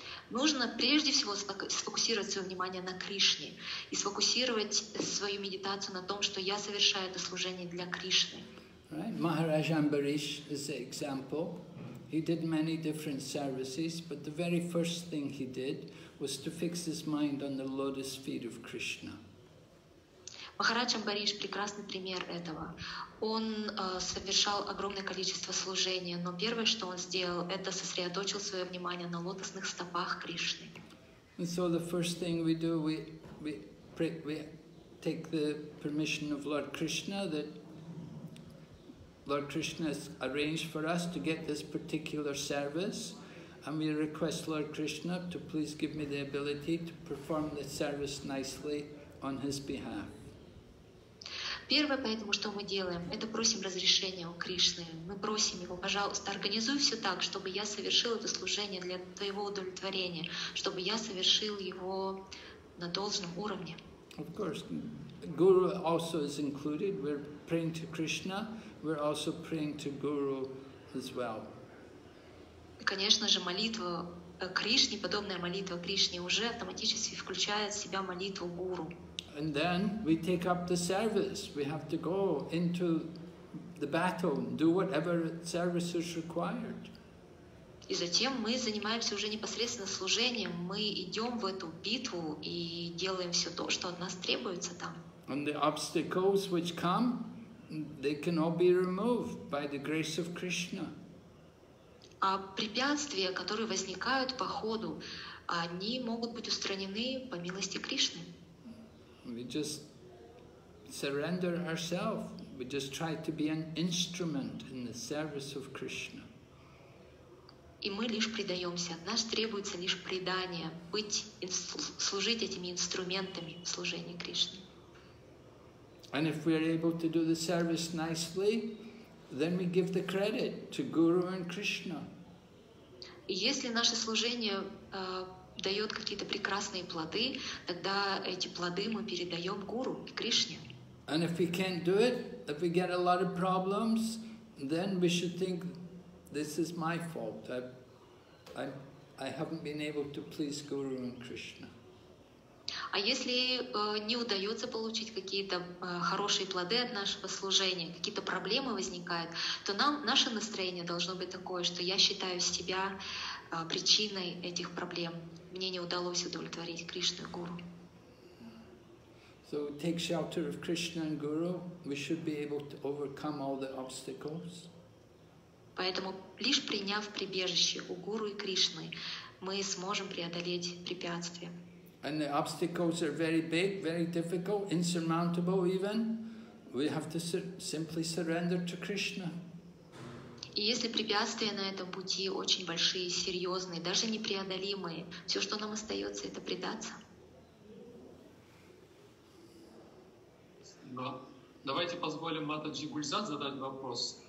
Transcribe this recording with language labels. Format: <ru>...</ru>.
<ru>Нужно прежде всего сфокусировать свое внимание на Кришне и сфокусировать свою медитацию на том, что я совершаю это служение для Кришны.</ru> <en>Right. Maharaj Ambarish is the example. He did many different services, but the very first thing he did was to fix his mind on the lotus feet of Krishna.</en> <ru>Махарадж Амбариш – прекрасный пример этого. Он совершал огромное количество служений, но первое, что он сделал, это сосредоточил свое внимание на лотосных стопах Кришны.</ru> <en>And so the first thing we do, we take the permission of Lord Krishna, that Lord Krishna has arranged for us to get this particular service, and we request Lord Krishna to please give me the ability to perform the service nicely on his behalf.</en> <ru>Первое, поэтому, что мы делаем, это просим разрешения у Кришны. Мы просим его, пожалуйста, организуй все так, чтобы я совершил это служение для твоего удовлетворения, чтобы я совершил его на должном уровне.</ru> <en>Of course, Guru also is included. We're praying to Krishna. We're also praying to Guru as well.</en> <ru>Конечно же, молитва Кришне, подобная молитва Кришне, уже автоматически включает в себя молитву Гуру.</ru> <en>And then we take up the service. We have to go into the battle, do whatever service is required.</en> <ru>И затем мы занимаемся уже непосредственно служением. Мы идем в эту битву и делаем все то, что от нас требуется там.</ru> <en>And the obstacles which come, they can all be removed by the grace of Krishna.</en> <ru>А препятствия, которые возникают по ходу, они могут быть устранены по милости Кришны.</ru> <en>We just surrender ourselves. We just try to be an instrument in the service of Krishna.</en> <ru>И мы лишь предаемся. От нас требуется лишь предание, быть, служить этими инструментами служения Кришне.</ru> <en>And if we are able to do the service nicely, then we give the credit to Guru and Krishna.</en> <ru>И если наше служение дает какие-то прекрасные плоды, тогда эти плоды мы передаем Гуру и Кришне.</ru> <en>And if we can't do it, if we get a lot of problems, then we should think, this is my fault. I haven't been able to please Guru and Krishna.</en> <ru>А если не удается получить какие-то хорошие плоды от нашего служения, какие-то проблемы возникают, то нам наше настроение должно быть такое, что я считаю себя причиной этих проблем. Мне не удалось удовлетворить Кришну и Гуру.</ru> <en>So take shelter of Krishna and Guru, we should be able to overcome all the obstacles.</en> <ru>Поэтому, лишь приняв прибежище у Гуру и Кришны, мы сможем преодолеть препятствия.</ru> <en>And the obstacles are very big, very difficult, insurmountable even. We have to simply surrender to Krishna.</en> <ru>И если препятствия на этом пути очень большие, серьезные, даже непреодолимые, все, что нам остается, это предаться. Да. Давайте позволим Матаджи Гульзат задать вопрос.</ru>